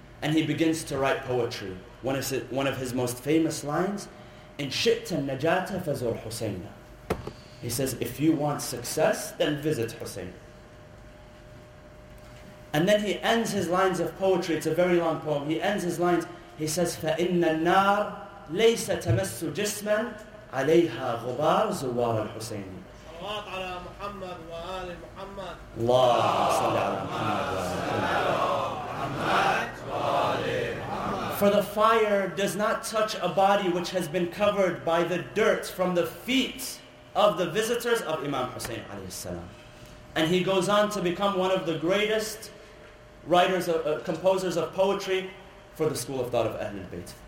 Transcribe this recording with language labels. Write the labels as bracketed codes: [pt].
[en] And he begins to write poetry. One of his most famous lines, [ar] "In shi'ta najata fazur Husayna." [en] He says, if you want success, then visit Hussein. And then he ends his lines of poetry. It's a very long poem. He ends his lines. He says, [ar] فَإِنَّ النَّارَ لَيْسَ تَمَسُّ جِسْمًا عَلَيْهَا غُبَارُ زُوَارَ الْحُسَيْنِ اللهم صل على محمد وآل محمد. اللهم صل على محمد وآل محمد. [en] For the fire does not touch a body which has been covered by the dirt from the feet of the visitors of Imam Hussein alayhi salam. And he goes on to become one of the greatest writers, composers of poetry for the school of thought of Ahlul Bayt.